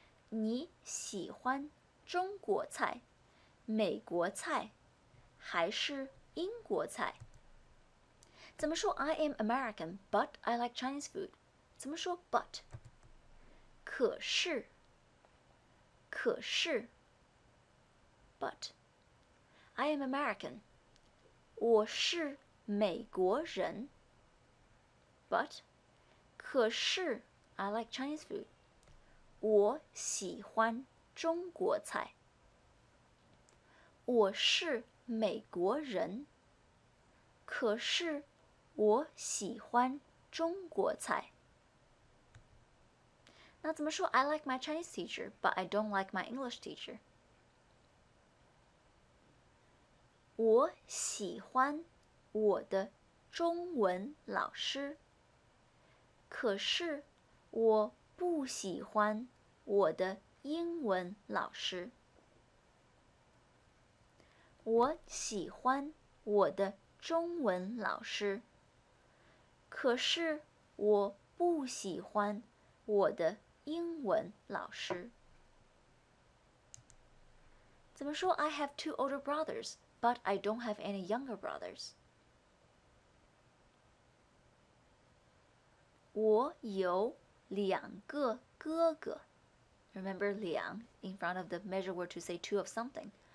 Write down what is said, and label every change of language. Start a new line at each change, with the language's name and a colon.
Chinese: 你喜欢中国菜、美国菜还是英国菜？怎么说
English: I am American, but I like Chinese food?
Chinese: 怎么说 but? 可是，可是
English: but I am American.
Chinese: 我是美国人
English: but
Chinese: 可是
English: I like Chinese food
Chinese: 我喜欢中国菜我是美国人可是我喜欢中国菜那怎么说
English: I like my Chinese teacher but I don't like my English teacher
Chinese: 我喜欢我的中文老师，可是我不喜欢我的英文老师。我喜欢我的中文老师，可是我不喜欢我的英文老师。怎么说
English: I have two older brothers, but I don't have any younger brothers?
Chinese: 我有两个哥哥。
English: Remember, 两 in front of the measure word to say two of something.